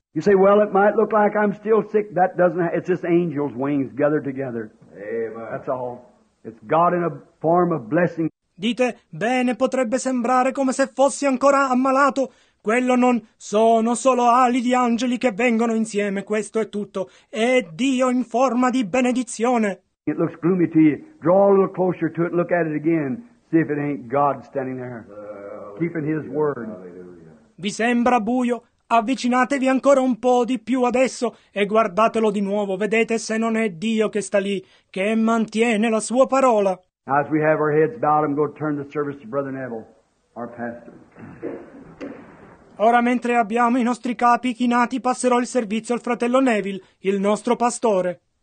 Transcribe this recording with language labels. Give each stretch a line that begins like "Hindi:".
English: You say, well, it might look like I'm still sick. That doesn't it's just angels' wings gathered together. Amen. That's all. It's God in a form of blessing.
Italian: Dite, bene, potrebbe sembrare come se fossi ancora ammalato. Quello non sono solo ali di angeli che vengono insieme, questo è tutto. È Dio in forma di benedizione.
English: It looks gloomy to you. Draw a little closer to it, look at it again. See if it ain't God standing there, keeping His word.
Italian: Vi sembra buio? Avvicinatevi ancora un po' di più adesso e guardatelo di nuovo. Vedete se non è Dio che sta lì, che mantiene la sua parola.
English: As we have our heads bowed, I'm going to turn the service to Brother Neville, our pastor.
Italian: Ora mentre abbiamo i nostri capi chinati, passerò il servizio al fratello Neville, il nostro pastore.